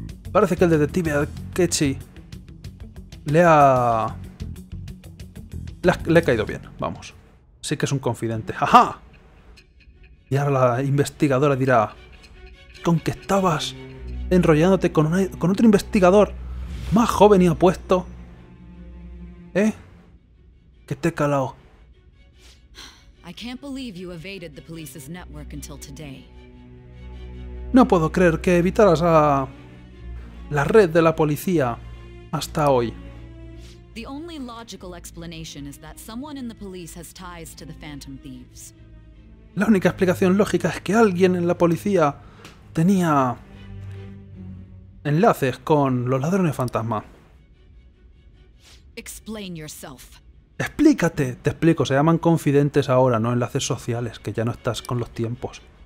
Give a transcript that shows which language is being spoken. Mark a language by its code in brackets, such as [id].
[es] Parece que el detective Akechi le ha caído bien, vamos. Sí que es un confidente. ¡Ajá! Y ahora la investigadora dirá... ¿Con qué estabas enrollándote con otro investigador más joven y apuesto? ¿Eh? Que te he calado. [en] I can't believe you evaded the police's network until today. [es] No puedo creer que evitaras a la red de la policía hasta hoy. [en] The only logical explanation is that someone in the police has ties to the Phantom Thieves. [es] La única explicación lógica es que alguien en la policía tenía enlaces con los ladrones fantasma. [en] Explain yourself. [es] Explícate, te explico, se llaman confidentes ahora, no enlaces sociales, que ya no estás con los tiempos.